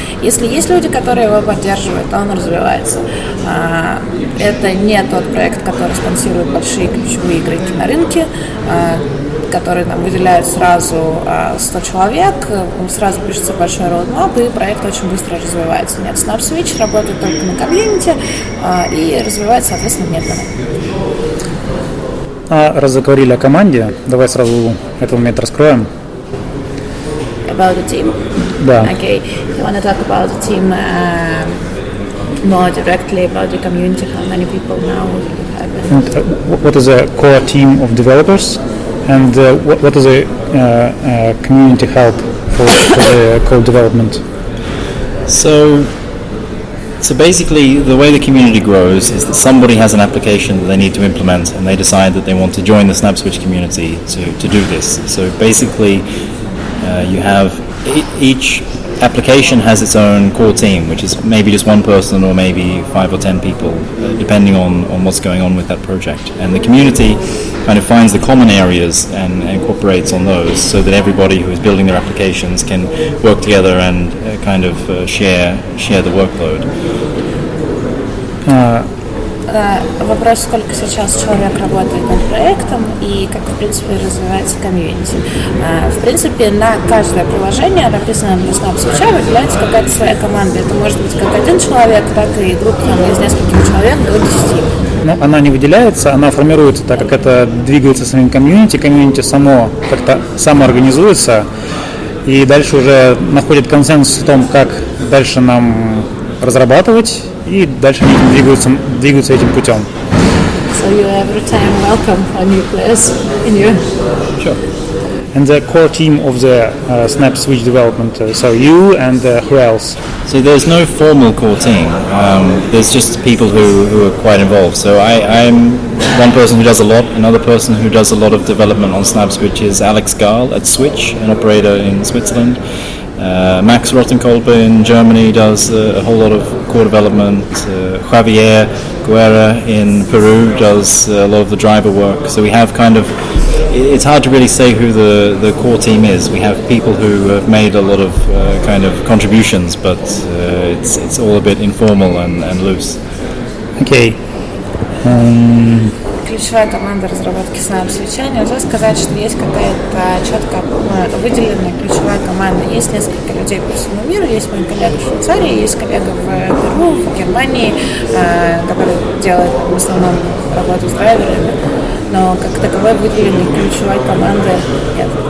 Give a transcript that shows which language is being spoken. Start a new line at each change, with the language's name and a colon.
Russian: Если есть люди, которые его поддерживают, то он развивается. Это не тот проект, который спонсирует большие ключевые игроки на рынке, которые там выделяют сразу 100 человек, сразу пишется большой roadmap, и проект очень быстро развивается. Нет, SnapSwitch работает только на комьюнити и развивается, соответственно, медленно. А раз заговорили о команде, давай сразу этот момент раскроем.
English: About the team?
Russian: Да.
English: Okay. You want to talk about the team more directly, about the community, how many people now have it? What is the core team of developers? And what is the community help for the code development? So basically, the way the community grows is that somebody has an application that they need to implement, and they decide that they want to join the SnapSwitch community to do this. So basically, you have each application has its own core team, which is maybe just one person or maybe 5 or 10 people, depending on what's going on with that project. And the community kind of finds the common areas and incorporates on those so that everybody who is building their applications can work together and kind of share the workload.
Russian: Вопрос, сколько сейчас человек работает над проектом и как, в принципе, развивается комьюнити. В принципе, на каждое приложение, написанное на SnapSwitch, выделяется какая-то своя команда. Это может быть как один человек, так и группа из нескольких человек до 10. Но она не выделяется, она формируется, так как это двигается самим комьюнити. Комьюнити само как-то самоорганизуется и дальше уже находит консенсус в том, как дальше нам разрабатывать. И дальше они двигаются этим путем. С
English: so you're every time welcome for new players in you. Sure. And the core team of the Snap Switch development, so you and who else? So there's no formal core team, there's just people who are quite involved. So I'm one person who does a lot, another person who does a lot of development on Snap Switch is Alex Gahl at Switch, an operator in Switzerland. Max Rottenkolbe in Germany does a whole lot of core development. Javier Guerra in Peru does a lot of the driver work. So we have kind of, it's hard to really say who the core team is. We have people who have made a lot of kind of contributions, but it's all a bit informal and loose. Okay.
Russian: Ключевая команда разработки Snap-свеча, нельзя сказать, что есть какая-то четко выделенная ключевая команда. Есть несколько людей по всему миру, есть мой коллега в Швейцарии, есть коллега в Перу, в Германии, который делает в основном работу с драйверами, но как таковой выделенной ключевой команды нет.